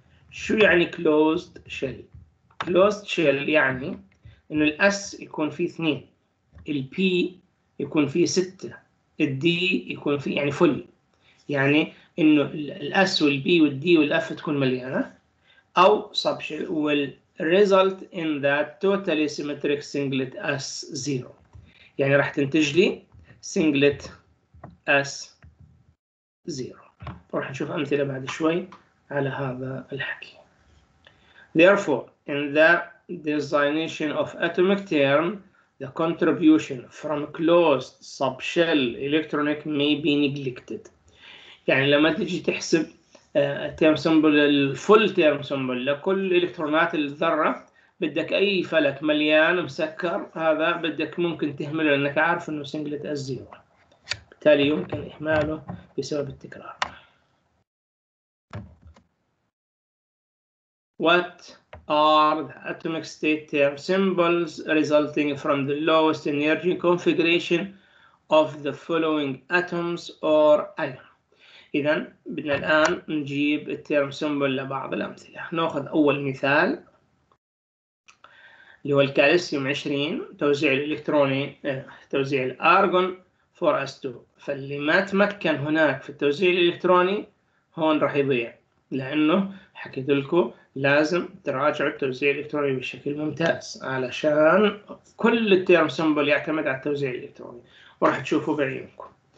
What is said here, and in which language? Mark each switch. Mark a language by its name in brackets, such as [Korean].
[Arabic] شو يعني closed shell؟ Closed shell يعني إنه الـ S يكون فيه 2، الـ P يكون فيه 6، الـ D يكون فيه يعني full، يعني إنه الـ S والـ B والـ D والـ F تكون مليانة، أو sub shell، والـ [English] result in that totally symmetric singlet s zero، [Arabic] يعني راح تنتج لي singlet s zero. راح نشوف أمثلة بعد شوي على هذا الحكي. [English] Therefore, in the designation of atomic term, the contribution from closed subshell electronic may be neglected. [Arabic] يعني لما تجي تحسب term symbol، الفول term symbol لكل إلكترونات الذرة، بدك أي فلك مليان مسكر هذا بدك ممكن تهمله، لأنك عارف إنه singlet s zero، بالتالي يمكن إهماله بسبب التكرار. [English] What are the atomic state term symbols resulting from the lowest energy configuration of the following atoms or ions؟ [Arabic] إذن بدنا الآن نجيب الترم سيمبل لبعض الأمثلة. نأخذ أول مثال اللي هو الكالسيوم 20 توزيع الإلكتروني توزيع الأرجون 4s2. فاللي ما تمكن هناك في التوزيع الإلكتروني هون راح يضيع، لأنه حكيت لكم لازم تراجع التوزيع الإلكتروني بشكل ممتاز علشان كل الترم سيمبل يعتمد على التوزيع الإلكتروني، وراح تشوفوا بعيونكم.